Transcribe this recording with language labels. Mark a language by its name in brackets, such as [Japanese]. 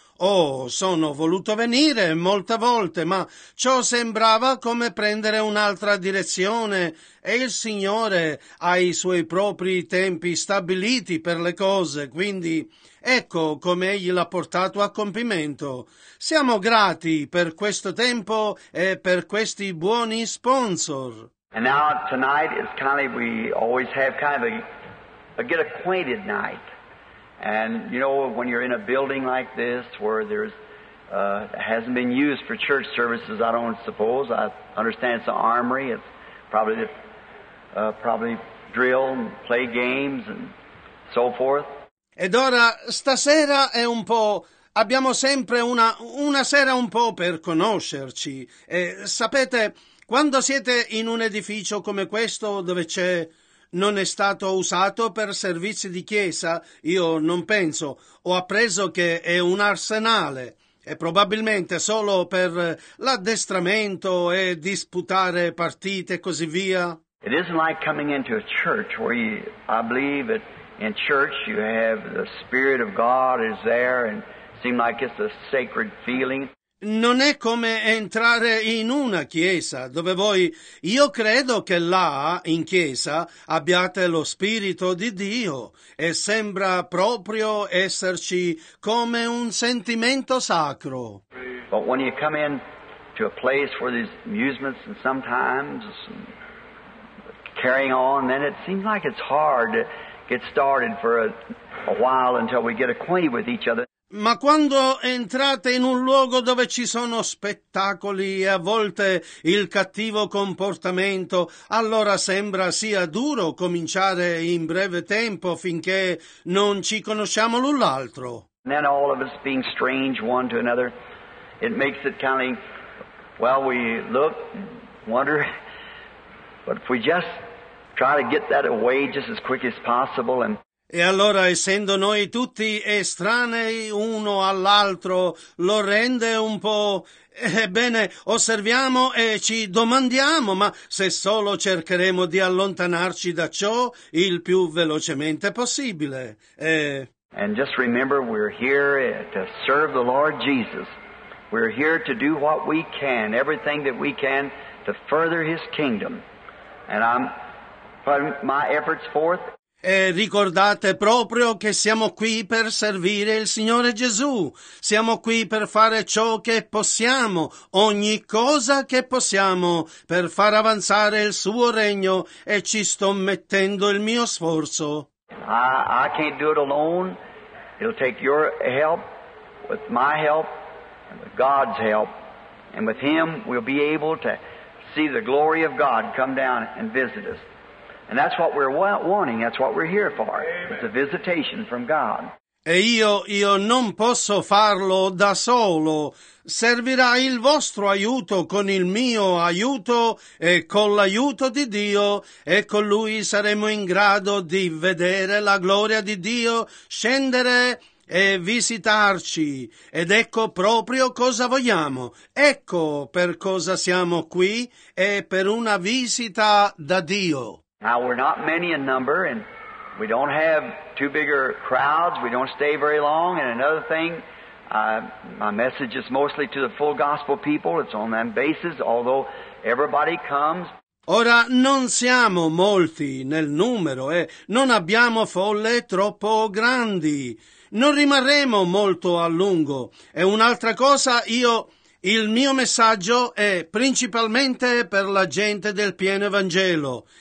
[Italian] Oh, sono voluto venire molte volte, ma ciò sembrava come prendere un'altra direzione e il Signore ha i suoi propri tempi stabiliti per le cose, quindi ecco come Egli l'ha portato a compimento. Siamo grati per questo tempo e per questi buoni sponsor. [English] And now tonight is kind of, we always have kind of a get acquainted night. And you know, when you're in a building like this where there's hasn't been used for church services, I don't suppose. I understand it's an armory. It's probably probably drill and play games and so forth. [Italian] Ed ora stasera è un po'. Abbiamo sempre una sera un po' per conoscerci. E sapete, quando siete in un edificio come questo dove c'è non è stato usato per servizi di chiesa, io non penso. Ho appreso che è un arsenale, e probabilmente solo per l'addestramento e disputare partite e così via. [English] It isn't like coming into a church where you, I believe that in church you have the Spirit of God is there and seem like it's a sacred feeling. [Italian] Non è come entrare in una chiesa dove voi, io credo che là, in chiesa, abbiate lo Spirito di Dio e sembra proprio esserci come un sentimento sacro. [English] But when you come in to a place where there's amusements and sometimes carrying on, then it seems like it's hard to get started for a while until we get acquainted with each other. [Italian] Ma quando entrate in un luogo dove ci sono spettacoli e a volte il cattivo comportamento, allora sembra sia duro cominciare in breve tempo finché non ci conosciamo l'un l'altro. [English] And then all of us being strange one to another, it makes it kind of, well, we look, wonder, but if we just try to get that away just as quick as possible and... [Italian] E allora, essendo noi tutti estranei uno all'altro, lo rende un po'... Ebbene, osserviamo e ci domandiamo, ma se solo cercheremo di allontanarci da ciò il più velocemente possibile. [English] And just remember, we're here to serve the Lord Jesus. We're here to do what we can, everything that we can, to further His kingdom. And I'm putting my efforts forth. [Italian] E ricordate proprio che siamo qui per servire il Signore Gesù. Siamo qui per fare ciò che possiamo, ogni cosa che possiamo, per far avanzare il Suo regno e ci sto mettendo il mio sforzo. [English] I can't do it alone. It'll take your help, with my help, and with God's help. And with Him we'll be able to see the glory of God come down and visit us. And that's what we're wanting, that's what we're here for. It's a visitation from God. [Italian] E io non posso farlo da solo. Servirà il vostro aiuto con il mio aiuto e con l'aiuto di Dio, e con Lui saremo in grado di vedere la gloria di Dio scendere e visitarci. Ed ecco proprio cosa vogliamo. Ecco per cosa siamo qui, e per una visita da Dio. [English] Now we're not many in number, and we don't have two bigger crowds, we don't stay very long, and another thing, my message is mostly to the full gospel people, it's on that basis, although everybody comes. [Italian] Ora non siamo molti nel numero e non abbiamo folle troppo grandi, non rimarremo molto a lungo. E un'altra cosa, il mio messaggio è principalmente per la gente del pieno Evangelo.